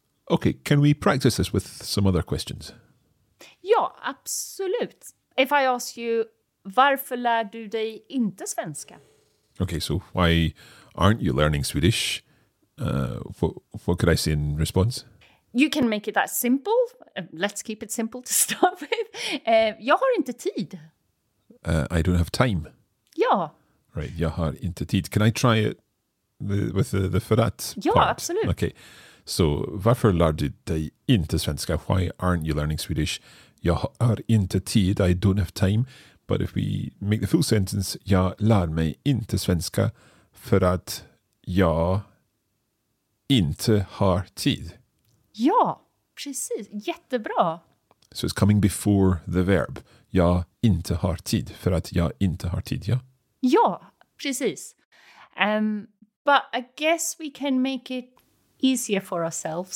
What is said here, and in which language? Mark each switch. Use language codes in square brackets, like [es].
[en] Okay, can we practice this with some other questions? [sv] Ja, absolut. [en] If I ask you, [sv] varför lär du dig inte svenska? [en] Okay, so why aren't you learning Swedish? What could I say in response? You can make it that simple. Let's keep it simple to start with. [sv] Jag har inte tid. [en] I don't have time. [sv] Ja. Right, jag har inte tid. [en] Can I try it with the [sv] för att part? Ja, absolut. [en] Okay, so [sv] varför lär du dig inte svenska? [en] Why aren't you learning Swedish? [sv] Jag har inte tid. [en] I don't have time. But if we make the full sentence, [sv] jag lär mig inte svenska för att jag inte har tid. Ja, precis. Jättebra. [en] So it's coming before the verb. [sv] Jag inte har tid för att jag inte har tid, ja? Ja, precis. [en] But I guess we can make it easier for ourselves.